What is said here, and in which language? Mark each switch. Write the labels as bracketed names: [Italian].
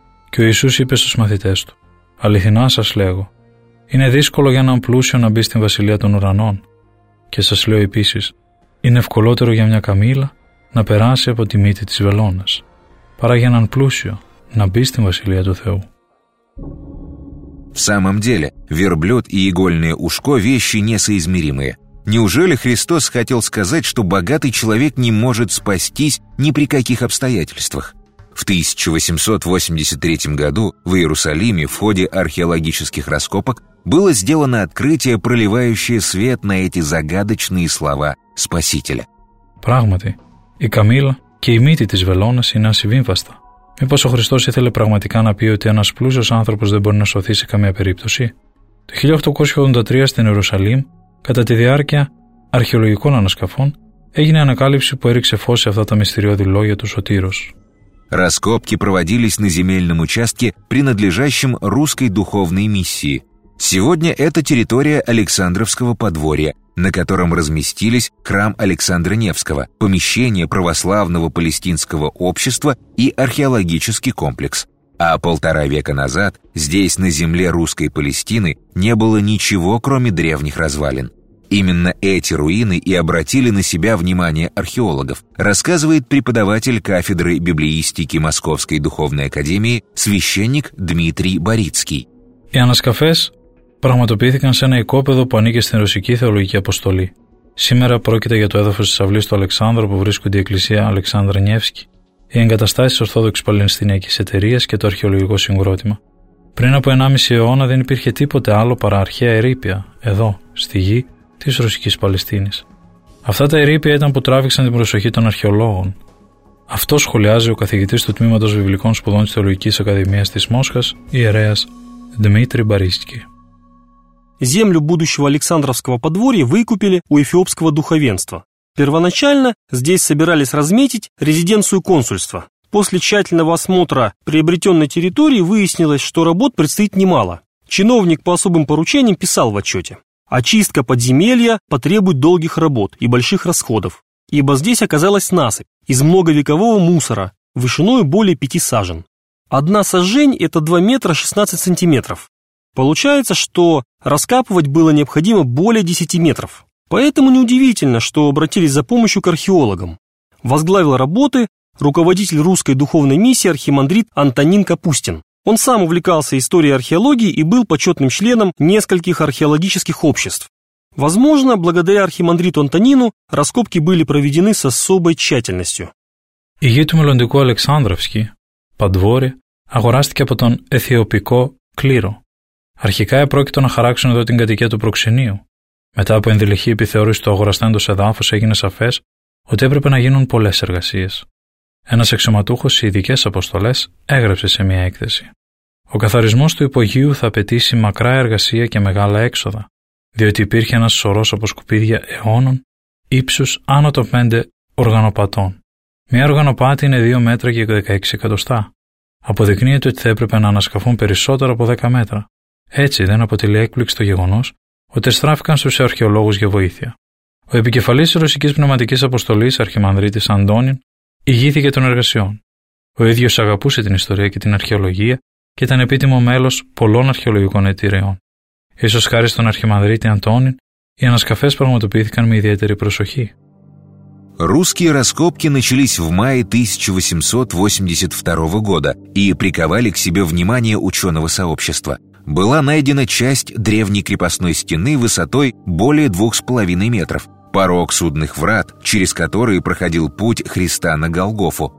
[Greek] Και ο Ιησούς είπε στους μαθητές του: «Αληθινά σας λέγω, είναι δύσκολο για έναν πλούσιο να μπει στην βασιλεία των ουρανών. Και σας λέω επίσης, είναι ευκολότερο για μια καμήλα να περάσει από τη μύτη της βελόνας, παρά για έναν πλούσιο να μπει στην βασιλεία του Θεού». [Russian] В самом деле, верблюд и игольное ушко – вещи несоизмеримые. Неужели Христос хотел сказать, что богатый человек не может спастись ни при каких обстоятельствах? В 1883 году в Иерусалиме в ходе археологических раскопок было сделано открытие, проливающее свет на эти загадочные слова Спасителя. [Greek] Πράγματι, η Καμήλα και η μύτη της Βελόνας είναι ασυμβίβαστα. Μήπως ο Χριστός ήθελε πραγματικά να πει ότι ένας πλούσιος άνθρωπος δεν μπορεί να σωθεί σε καμία περίπτωση? Το 1883 στην Ιερουσαλήμ, κατά τη διάρκεια αρχαιολογικών ανασκαφών, έγινε ανακάλυψη που έριξε φως σε αυτά τα μυστηριώδη λόγια του Σωτήρος. [Russian] Раскопки проводились на земельном участке, принадлежащем русской духовной миссии. Сегодня это территория Александровского подворья, на котором разместились храм Александра Невского, помещение православного палестинского общества и археологический комплекс. А полтора века назад здесь, на земле русской Палестины, не было ничего, кроме древних развалин. Именно эти руины и обратили на себя внимание археологов, рассказывает преподаватель кафедры библеистики Московской духовной академии священник Дмитрий Борицкий. [Greek] И анаскафес πραγματοποιήθηκαν σε ένα οικόπεδο που ανήκε στην Ρωσική Θεολογική Αποστολή. Σήμερα πρόκειται για το έδαφος της αυλής του Αλεξάνδρου που βρίσκονται η Εκκλησία Αλεξάνδρα Νιεύσκη, οι εγκαταστάσεις της Ορθόδοξης Παλαιστινιακής Εταιρείας και το Αρχαιολογικό Συγκρότημα. Πριν από 1,5 αιώνα δεν υπήρχε τίποτε άλλο παρά αρχαία ερείπια, εδώ, στη γη της Ρωσικής Παλαιστίνης. Αυτά τα ερείπια ήταν που τράβηξαν την προσοχή των αρχαιολόγων. Αυτό σχολιάζει ο καθηγητής του Τμήματος Βιβλικών Σπουδών της Θεολογικής Ακαδημίας της Μόσχας, ιερέας Δημήτρη Μπαρίσκη. [Russian] Землю будущего Александровского подворья выкупили у эфиопского духовенства. Первоначально здесь собирались разметить резиденцию консульства. После тщательного осмотра приобретенной территории выяснилось, что работ предстоит немало. Чиновник по особым поручениям писал в отчете: «Очистка подземелья потребует долгих работ и больших расходов, ибо здесь оказалась насыпь из многовекового мусора, вышиной более 5 сажен. Одна сажень – это 2 метра 16 сантиметров. Получается, что раскапывать было необходимо более 10 метров. Поэтому неудивительно, что обратились за помощью к археологам. Возглавил работы руководитель русской духовной миссии архимандрит Антонин Капустин. Он сам увлекался историей археологии и был почетным членом нескольких археологических обществ. Возможно, благодаря архимандриту Антонину раскопки были проведены с особой тщательностью. [Greek] Игра του μελλοντικού Αλεξάνδρευσκη, Παντβόρη, αγοράστηκε από τον Αιθιοπικό κλήρο. Αρχικά επρόκειτο να χαράξουν εδώ την κατοικία του προξενείου. Μετά από ενδελεχή επιθεώρηση του αγοραστέντος εδάφους έγινε σαφές ότι έπρεπε να γίνουν πολλές εργασίες. Ένας αξιωματούχος σε ειδικές αποστολές έγραψε σε μια έκθεση. Ο καθαρισμός του υπογείου θα απαιτήσει μακρά εργασία και μεγάλα έξοδα, διότι υπήρχε ένας σωρός από σκουπίδια αιώνων, ύψους άνω των 5 οργανοπατών. Μια οργανοπάτη είναι 2 μέτρα και 16 εκατοστά. Αποδεικνύεται ότι θα έπρεπε να ανασκαφούν περισσότερο από 10 μέτρα. Έτσι δεν αποτελεί έκπληξη το γεγονός ότι στράφηκαν στους αρχαιολόγους για βοήθεια. Ο επικεφαλής της Ρωσικής Πνευματικής Αποστολής, Αρχιμανδρίτης Αντώνιν, ηγήθηκε των εργασιών. Ο ίδιος αγαπούσε την ιστορία και την αρχαιολογία και ήταν επίτιμο μέλος πολλών αρχαιολογικών εταιριών. Ίσως χάρη στον αρχιμανδρίτη Αντώνιν, οι ανασκαφές πραγματοποιήθηκαν με ιδιαίτερη προσοχή. [Russian] Русские раскопки начались в мае 1882 года и приковали к себе внимание ученого сообщества. Была найдена часть древней крепостной стены высотой более 2,5 метров, порог судных врат, через которые проходил путь Христа на Голгофу.